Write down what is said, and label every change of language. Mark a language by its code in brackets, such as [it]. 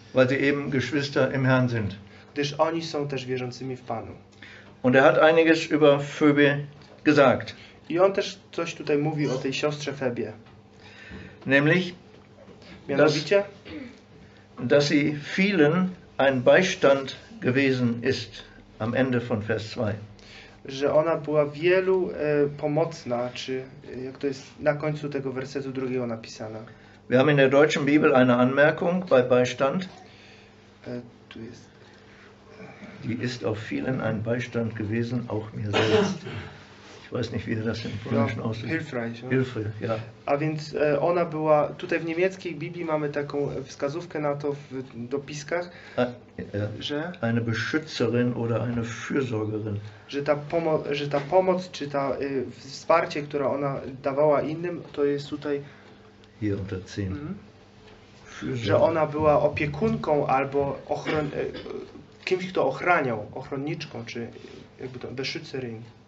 [de] Weil sie eben Geschwister im Herrn sind. [pl] Gdyż oni są też wierzącymi w Panu. [de] Und hat einiges über Phoebe gesagt. [pl] I on też coś tutaj mówi o tej siostrze Febie. [de] Nämlich, dass sie vielen ein Beistand gewesen ist am Ende von Vers 2. [pl] Że ona była wielu pomocna, czy jak to jest na końcu tego wersetu drugiego napisana. [de] Wir haben in der deutschen Bibel eine Anmerkung bei Beistand. [pl] Tu jest. [de] Die ist auf vielen ein Beistand gewesen, auch mir selbst. Ich weiß nicht, wie das im Polnischen aussieht. Hilfreich. Hilfreich, ja. [pl] A więc ona była, tutaj w niemieckiej Biblii mamy taką wskazówkę na to w dopiskach, że [de] eine Beschützerin oder eine Fürsorgerin. [pl] Że ta pomoc, czy ta wsparcie, które ona dawała innym, to jest tutaj [de] hier unter 10. [pl] Że ona była opiekunką albo kimś, kto ochraniał, ochronniczką, czy jakby to Beschützerin.